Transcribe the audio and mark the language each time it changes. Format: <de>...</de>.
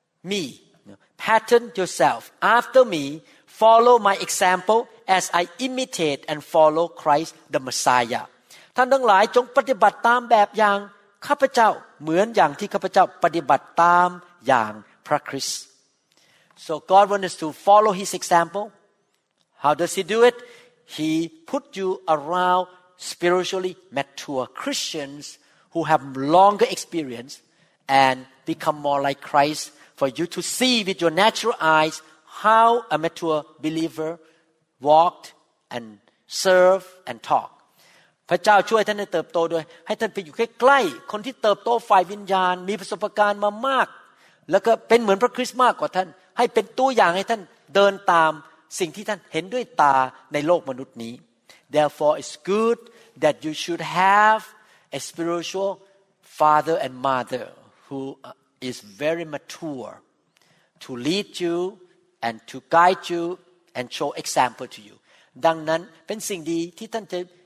<en>me Pattern yourself after me follow my example as I imitate and follow Christ the Messiah</en> <th>ท่านทั้งหลายจงปฏิบัติตามแบบอย่างข้าพเจ้าเหมือนอย่างที่ข้าพเจ้าปฏิบัติตามอย่างพระคริสต์</th> <en>So God wants us to follow His example. How does He do it? He put you around spiritually mature Christians who have longer experience and become more like Christ for you to see with your natural eyes how a mature believer walked and served and talked.</en> <th>พระเจ้าช่วยท่านให้เติบโตโดยให้ท่านไปอยู่ใกล้ๆคนที่เติบโตฝ่ายวิญญาณมีประสบการณ์มามากแล้วก็เป็นเหมือนพระคริสต์มากกว่าท่านให้เป็นตัวอย่างให้ท่านเดินตามสิ่งที่ท่านเห็นด้วยตาในโลกมนุษย์นี้</th> <en>Therefore it's good that you should have a spiritual father and mother who is very mature to lead you and to guide you and show example to you</en> <th>ดังนั้นเป็นสิ่งดีที่ท่านจะ</th>